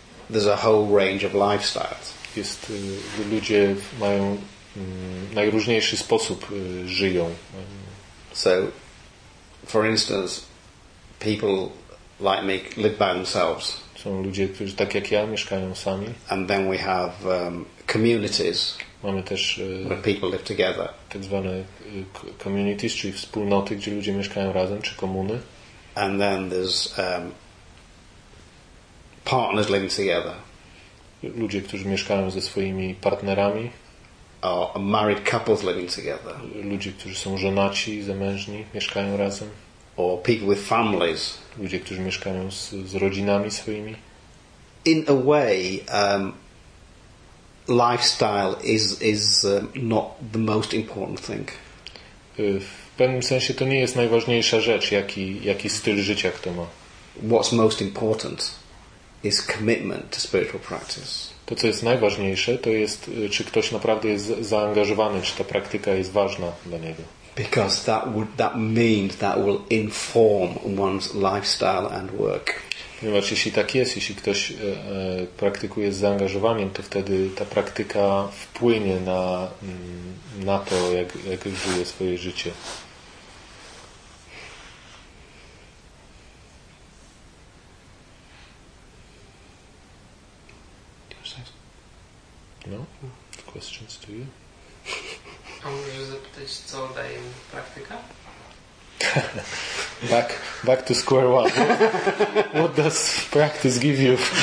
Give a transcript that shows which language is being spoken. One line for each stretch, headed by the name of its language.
English: There's a whole range of lifestyles.
Polish: Ludzie mają najróżniejszy sposób żyją.
English: So, for instance, people like me live by themselves.
Polish: Są ludzie, którzy tak jak ja mieszkają sami.
English: And then we have communities.
Polish: Mamy też
English: where people live together.
Polish: Tak zwane communities, czyli wspólnoty, gdzie ludzie mieszkają razem, czy komuny.
English: And then there's partners living together.
Polish: Ludzie, którzy mieszkają ze swoimi partnerami.
English: Or married couples living together.
Polish: Ludzie, którzy są żonaci, zamężni, mieszkają razem.
English: Or people with families.
Polish: Ludzie, którzy mieszkają z rodzinami swoimi.
English: In a way, lifestyle is not the most important thing.
Polish: W pewnym sensie to nie jest najważniejsza rzecz, jaki styl życia kto ma.
English: What's most important is commitment to spiritual practice.
Polish: To, co jest najważniejsze, to jest, czy ktoś naprawdę jest zaangażowany, czy ta praktyka jest ważna dla niego.
English: Because that means that will inform one's lifestyle and work.
Polish: Ponieważ jeśli tak jest, jeśli ktoś praktykuje z zaangażowaniem, to wtedy ta praktyka wpłynie na to, jak żyje swoje życie.
English: No? Questions to you?
Polish: A może zapytać, co daje mu praktyka?
English: Back to square one. What does practice give you?